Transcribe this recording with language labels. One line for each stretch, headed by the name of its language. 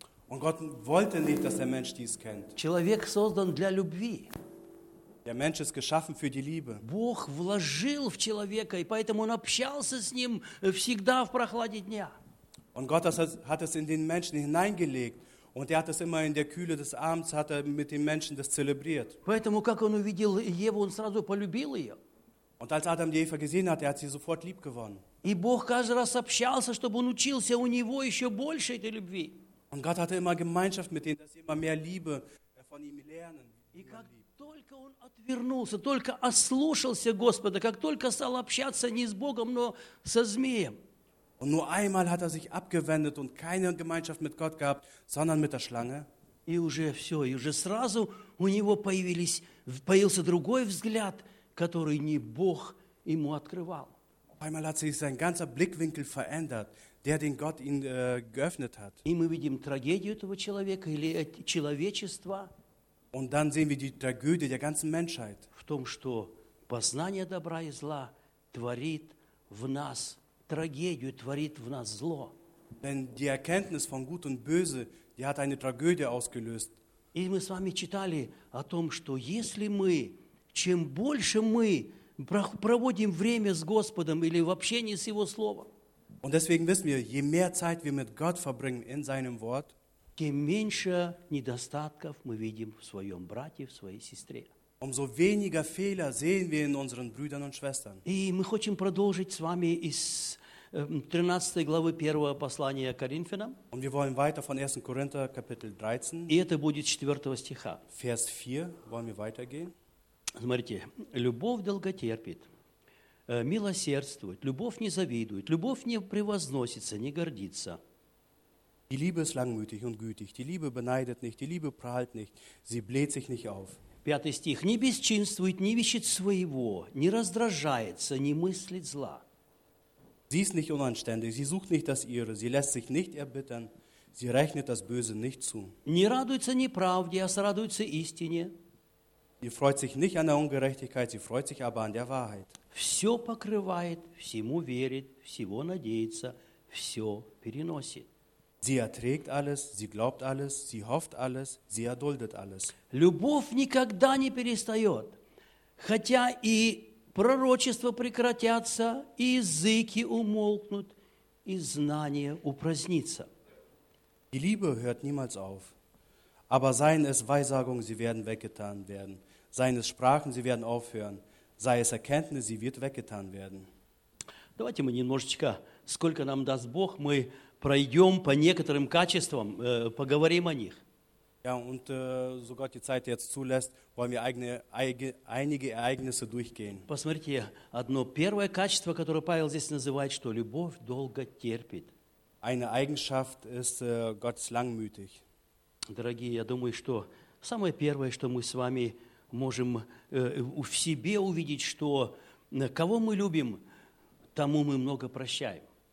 German: Und Gott wollte nicht, dass der Mensch dies kennt.
Russian: Человек создан для любви.
German: Der Mensch ist geschaffen für die Liebe.
Russian: Бог вложил в человека, и поэтому он общался с ним всегда в прохладе дня.
German: Und Gott hat es in den Menschen hineingelegt. Und er hat es immer in der Kühle des Abends hat er mit den Menschen das zelebriert.
Russian: Поэтому как он увидел Еву, он сразу полюбил ее.
German: Und als Adam die Eva gesehen hat, er hat sie sofort lieb gewonnen.
Russian: И Бог каждый раз общался, чтобы он учился у него еще больше этой любви.
German: Und Gott hatte immer Gemeinschaft mit denen, dass sie immer mehr Liebe von ihm lernen.
Russian: И как только он отвернулся, только ослушался Господа, как только стал общаться не с Богом, но со змеем.
German: Und nur einmal hat er sich abgewendet und keine Gemeinschaft mit Gott gehabt, sondern mit der Schlange.
Russian: И уже все, и уже сразу у него появился другой взгляд, который не Бог ему открывал.
German: Auf einmal hat sich sein ganzer Blickwinkel verändert, der den Gott ihm geöffnet hat.
Russian: И мы видим трагедию этого человека или человечества.
German: Und dann sehen wir die Tragödie der ganzen Menschheit.
Russian: В том, что познание добра и зла творит в нас Трагедию, творит в нас зло.
German: Denn die Erkenntnis von Gut und Böse, die hat eine Tragödie ausgelöst.
Russian: И мы с вами читали о том, что если мы, чем больше мы проводим время с Господом или в общении с Его Словом,
German: und deswegen wissen wir, je mehr Zeit wir mit Gott verbringen in seinem Wort,
Russian: тем меньше недостатков мы видим в своем брате, в своей сестре.
German: Umso weniger Fehler sehen wir in unseren Brüdern und Schwestern.
Russian: И мы хотим продолжить с вами из 13 главы 1 послания Коринфянам.
German: Und wir wollen weiter von 1. Korinther Kapitel 13.
Russian: И это будет 4 стиха.
German: Vers 4 wollen wir weitergehen.
Russian: Смотрите, любовь долготерпит, милосердствует, любовь не завидует, любовь не превозносится, не гордится.
German: Die Liebe ist langmütig und gütig, die Liebe beneidet nicht, die Liebe prahlt nicht, sie bläht sich nicht auf.
Russian: Пятый стих. Не бесчинствует, не вещит своего, не раздражается, не мыслит зла.
German: Sie ist nicht unanständig, sie sucht nicht das ihre, sie lässt sich nicht erbittern, sie rechnet das Böse nicht zu.
Russian: Не радуется не правде, а радуется истине.
German: Sie freut sich nicht an der Ungerechtigkeit, sie freut sich aber an der Wahrheit.
Russian: Все покрывает, всему верит, всего надеется, все переносит.
German: Sie erträgt alles, sie glaubt alles, sie hofft alles, sie erduldet alles.
Russian: Любовь никогда не перестает, хотя и пророчества прекратятся, и языки умолкнут, и знание упразднится.
German: Die Liebe hört niemals auf, aber seien es Weissagungen, sie werden weggetan werden, seien es Sprachen, sie werden aufhören, sei es Erkenntnis, sie wird weggetan werden.
Russian: Давайте мы немножечко, сколько нам даст Бог, мы пройдем по некоторым качествам, поговорим о них.
German: Ja, und so Gott die Zeit jetzt zulässt, wollen wir einige Ereignisse durchgehen.
Russian: Посмотрите, одно первое качество, которое Павел здесь называет, что любовь долго терпит.
German: Eine Eigenschaft ist Gottes langmütig.
Russian: Дорогие, я думаю, что самое первое, что мы с вами можем в себе увидеть, что кого мы любим, тому мы много прощаем.